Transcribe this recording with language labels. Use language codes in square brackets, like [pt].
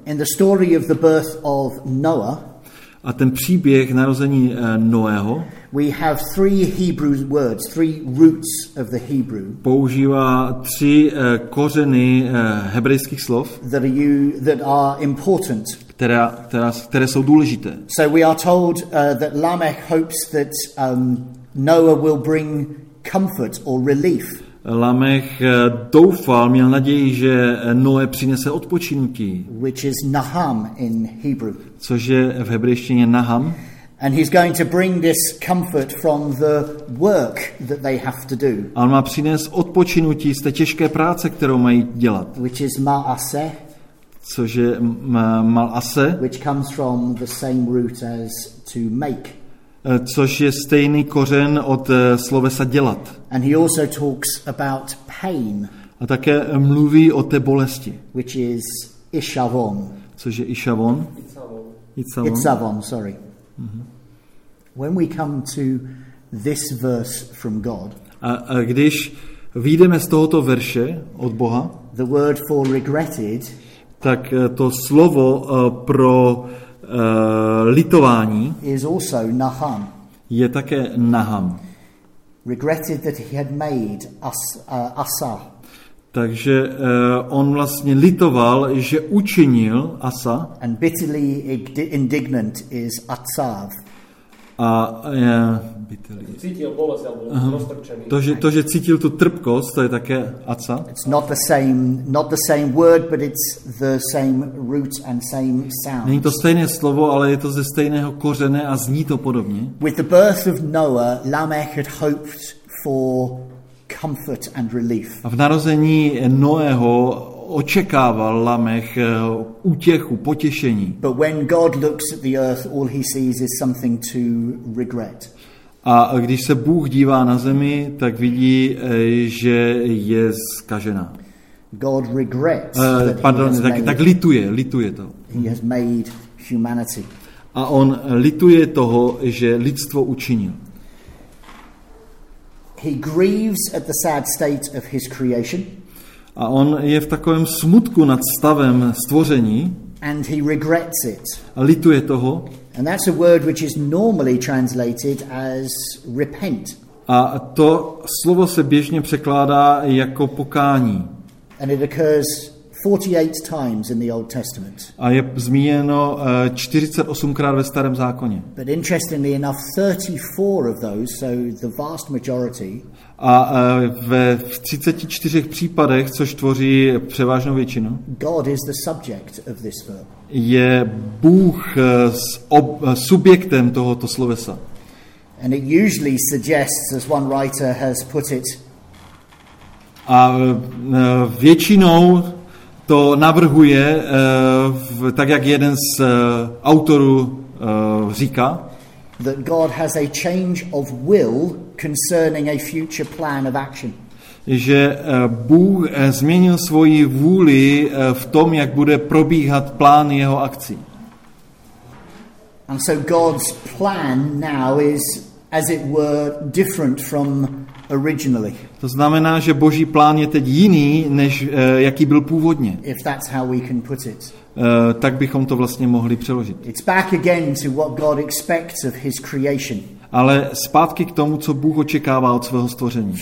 [en] In the story of the birth of Noah. [cs] A ten příběh narození Noého. [en] We have three Hebrew words, three roots of the Hebrew. [cs] Používá tři kořeny hebrejských slov. [en] That are important. [cs] Které jsou důležité. [en] So we are told that Lamech hopes that Noah will bring comfort or relief. [cs] Lamech doufal, měl naději, že Noé přinese odpočinky. [en] Which is naham in Hebrew. [cs] Což je v hebrejštině naham. [en] And he's going to bring this comfort from the work that they have to do. [cs] A on má přinést odpočinutí z té těžké práce, kterou mají dělat. [en] Which is ma'ase. [cs] Což je mal'ase. [en] Which comes from the same root as to make. [cs] Což je stejný kořen od slovesa dělat. [en] And he also talks about pain. [cs] A také mluví o té bolesti. [en] Which is ishavon. [cs] Což je ishavon. [he] Itzavon. [en] Itzavon, sorry. When we come to this verse from God, [cs] a když Vyjdeme z tohoto verše od Boha. [en] The word for regretted. [cs] Tak to slovo pro litování [en] is also naham. [cs] Je také naham. [en] Regretted that he had made Asa. [cs] Takže on vlastně litoval, že učinil Asa. [en] And bitterly indignant is Atsav. [cs] A cítil bolest, roztrpčený. To, že cítil tu trpkost, to je také Atsa. [en] It's not the same word, but it's the same root and same sound. [cs] Není to stejné slovo, ale je to ze stejného kořene a zní to podobně. [en] With the birth of Noah, Lamech had hoped for comfort and relief. [cs] A v narození Noého očekával Lamech útěchu, potěšení. [en] But when God looks at the earth, all he sees is something to regret. [cs] A když se Bůh dívá na zemi, tak vidí, že je zkažená. [en] God regrets. [cs] Tak lituje to. [en] He has made humanity. [cs] A on lituje toho, že lidstvo učinil. [en] He grieves at the sad state of his creation. [cs] A on je v takovém smutku nad stavem stvoření. [en] And he regrets it. [cs] A lituje toho. [en] And that's a word which is normally translated as repent. [cs] A to slovo se běžně překládá jako pokání. [en] And it occurs 48 times in the Old Testament. [cs] A je zmíněno 48krát ve Starém zákoně. [en] But interestingly enough, 34 of those, so the vast majority. [cs] A ve 34 případech, což tvoří převážnou většinu. [en] God is the subject of this verb. [cs] Je Bůh subjektem tohoto slovesa. [en] And it usually suggests, as one writer has put it. [cs] A většinou to navrhuje, tak jak jeden z autorů říká, [en] that God has a change of will concerning a future plan of action. [cs] Že Bůh změnil svoji vůli v tom, jak bude probíhat plán jeho akcí. [en] And so God's plan now is, as it were, different from originally. [cs] To znamená, že Boží plán je teď jiný, než jaký byl původně. [en] If that's how we can put it. [cs] Tak bychom to vlastně mohli přeložit. [en] It's back again to what God expects of his creation. [cs] Ale zpátky k tomu, co Bůh očekává od svého stvoření.